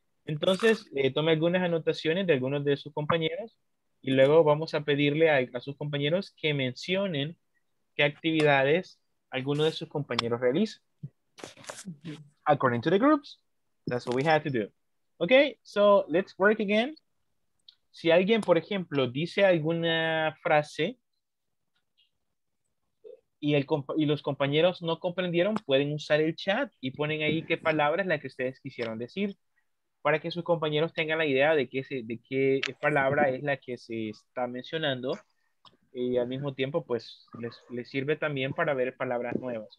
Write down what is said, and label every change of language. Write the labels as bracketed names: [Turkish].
[Spanish] Entonces, tome algunas anotaciones de algunos de sus compañeros. Y luego vamos a pedirle a sus compañeros que mencionen qué actividades alguno de sus compañeros realiza. [English] According to the groups, that's what we had to do. Okay, so let's work again. [Spanish] Si alguien, por ejemplo, dice alguna frase y los compañeros no comprendieron, pueden usar el chat y ponen ahí qué palabra es la que ustedes quisieron decir, para que sus compañeros tengan la idea de qué palabra es la que se está mencionando y al mismo tiempo pues les sirve también para ver palabras nuevas.